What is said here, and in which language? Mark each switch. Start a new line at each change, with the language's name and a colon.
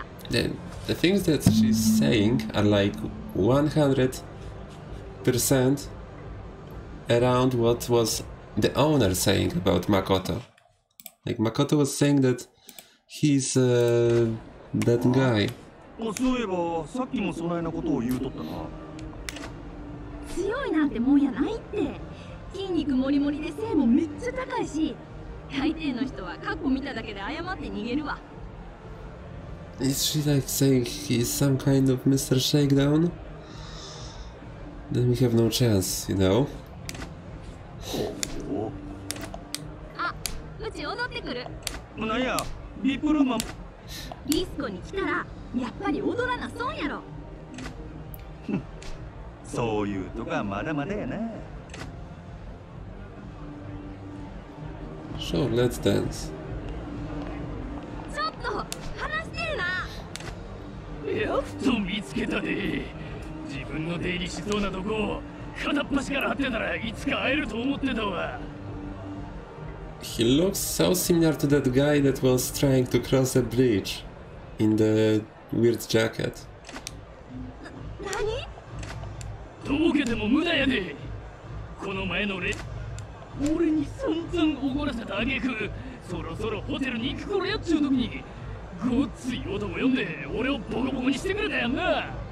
English: Then, the things that she's saying are like 100% around what was the owner saying about Makoto. Like, Makoto was saying that He's a bad guy.
Japanese: そういえば、さっきもそないなことを言うとったな。強いなんてもんやないって。筋肉もりもりで背もめっちゃ高いし。大抵の人はカッコ見ただけで謝って逃げるわ。
English: Is she like saying he's some kind of Mr. Shakedown? Then we have no chance, you know?
Japanese: あ、うち踊ってくる。なんや、ビープルーマン。ディスコに来たら、やっぱり踊らな損やろ。そういうとこはまだまだやな。
English: Sure, let's dance.
Japanese: やっと見つけたで。自分の出入りしそうなとこ片っ端から張ってたらいつか会えると思ってたわ。
English: He looks so similar to that guy that was trying to cross a bridge in the weird jacket.
Japanese: 何？とぼけても無駄やで。この前の俺に散々怒らせた挙句、そろそろホテルに行く頃やっちゅう時に。ごっつい男呼んで俺をボコボコにしてくれたやんな。